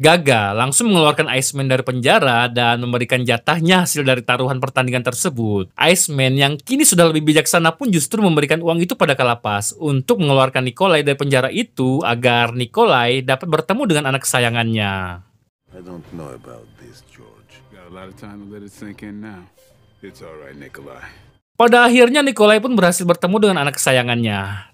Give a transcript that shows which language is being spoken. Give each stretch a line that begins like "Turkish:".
Indonesian: Gaga langsung mengeluarkan Iceman dari penjara dan memberikan jatahnya hasil dari taruhan pertandingan tersebut. Iceman yang kini sudah lebih bijaksana pun justru memberikan uang itu pada Kalapas untuk mengeluarkan Nikolai dari penjara itu agar Nikolai dapat bertemu dengan anak kesayangannya.
English: I don't know about this, George. Got a lot of time to let it sink in now. It's all right, Nikolai.
Indonesian: Pada akhirnya Nikolai pun berhasil bertemu dengan anak kesayangannya.